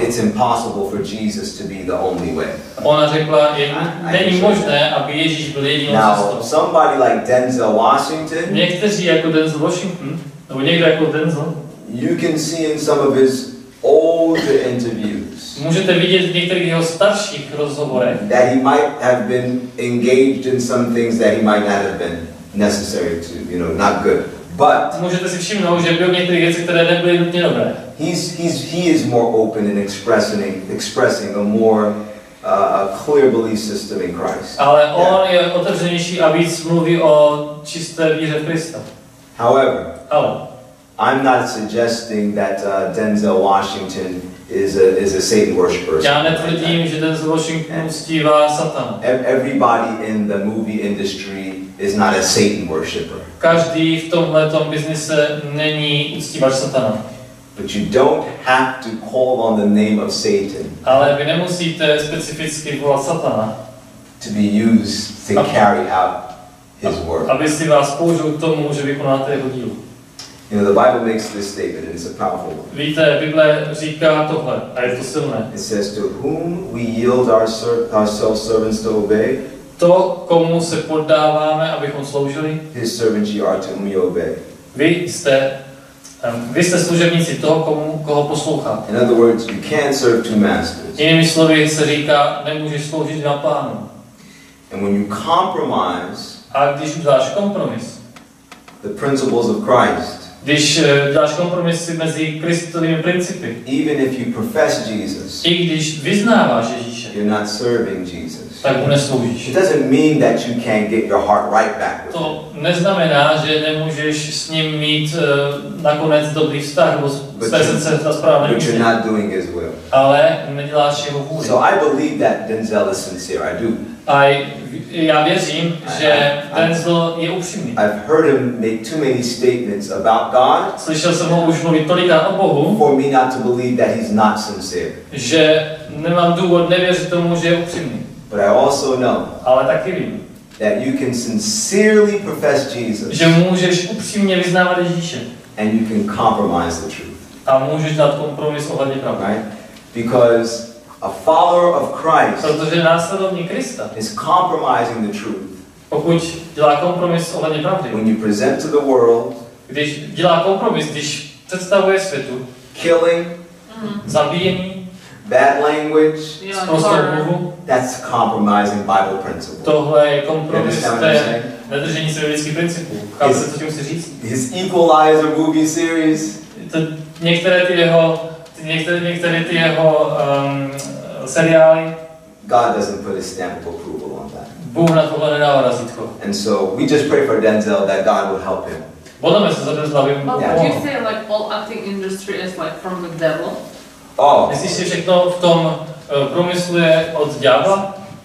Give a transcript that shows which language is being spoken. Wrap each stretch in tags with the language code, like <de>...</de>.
<en>It's impossible for Jesus to be the only way.</en> <cs>Ona řekla, není možné, aby Ježíš byl jedinou cestou.</cs> <en>Now somebody like Denzel Washington.</en> <cs>Někteří jako Denzel Washington, nebo někdo jako Denzel.</cs> <en>You can see in some of his older interviews.</en> <cs>Můžete vidět v některých jeho starších rozhovorech.</cs> <en>That he might have been engaged in some things that he might not have been necessary to, you know, not good. But</en> <cs>můžete si všimnout, že byl některé věci, které nebyly nutně dobré.</cs> <en>He is more open in expressing a more a clear belief system in Christ.</en> <cs>Ale on je otevřenější a víc mluví o čisté víře v Krista.</cs> <en>However,</en> <cs>ale</cs> <en>I'm not suggesting that Denzel Washington is a Satan worshipper.</en> <cs>Já netvrdím, že Denzel Washington uctívá Satana.</cs> <en>Everybody in the movie industry is not a Satan worshipper.</en> <cs>Každý v tomhle tom biznise není uctívač Satana.</cs> <en>But you don't have to call on the name of Satan.</en> <cs>Ale vy nemusíte specificky volat Satana.</cs> <en>To be used to carry out his work.</en> <cs>Aby si vás použil k tomu, že vykonáte jeho dílo.</cs> <en>You know, the Bible makes this statement, and it's a powerful one.</en> <cs>Víte, Bible říká tohle, a je to silné.</cs> <en>It says, to whom we yield ourselves servants to obey.</en> <cs>To, komu se poddáváme, abychom sloužili.</cs> <en>His servants ye are, to whom ye obey.</en> <cs>Vy jste služebníci toho, koho posloucháte.</cs> <en>In other words, you can't serve two masters.</en> <cs>Jinými slovy se říká, nemůžeš sloužit dvěma pánům.</cs> <en>And when you compromise,</en> <cs>a když uděláš kompromis,</cs> <en>the principles of Christ,</en> <cs>když děláš kompromisy mezi Kristovými principy,</cs> <en>even if you profess Jesus,</en> <cs>i když vyznáváš Ježíše,</cs> <en>you're not serving Jesus,</en> <cs>tak mu nesloužíš.</cs> <en>It doesn't mean that you can't get your heart right back with him.</en> <cs>To neznamená, že nemůžeš s ním mít nakonec dobrý vztah, nebo své srdce na správné místě.</cs> <en>But you're not doing his will.</en> <cs>Ale neděláš jeho vůli.</cs> <en>So I believe that Denzel is sincere. I do.</en> <cs>Já věřím, že Denzel je upřímný.</cs> <en>I've heard him make too many statements about God.</en> <cs>Slyšel jsem ho už mluvit tolikrát o Bohu.</cs> <en>For me not to believe that he's not sincere.</en> <cs>Že nemám důvod nevěřit tomu, že je upřímný.</cs> <en>But I also know.</en> <cs>Ale taky vím.</cs> <en>That you can sincerely profess Jesus.</en> <cs>Že můžeš upřímně vyznávat Ježíše.</cs> <en>And you can compromise the truth.</en> <cs>A můžeš dát kompromis ohledně pravdy.</cs> <en>Right? Because a follower of Christ,</en> <cs>protože následovník Krista,</cs> <en>is compromising the truth.</en> <cs>Pokud dělá kompromis ohledně pravdy,</cs> <en>when you present to the world,</en> <cs>když dělá kompromis, když představuje světu,</cs> <en>killing,</en> <cs>zabíjení,</cs> <en>bad language,</en> <cs>sprostou mluvu,</cs> <en>that's compromising Bible principle.</en> <cs>Tohle je kompromis, nedržení světských principů. Chápete, co tím chci říct?</cs> <en>His equalizer movie series,</en> <cs>některé ty jeho Některé ty jeho seriály.</cs> <en>God doesn't put a stamp of approval on that.</en> <cs>Bůh na tohle nedává razítko.</cs> <en>And so we just pray for Denzel that God would help him.</en> <cs>Bodem se za Denzela.</cs> <en>But yeah. Do you say like all acting industry is like from the devil? Oh.</en> <cs>Myslíš si, že všechno v tom průmyslu je od ďábla?</cs>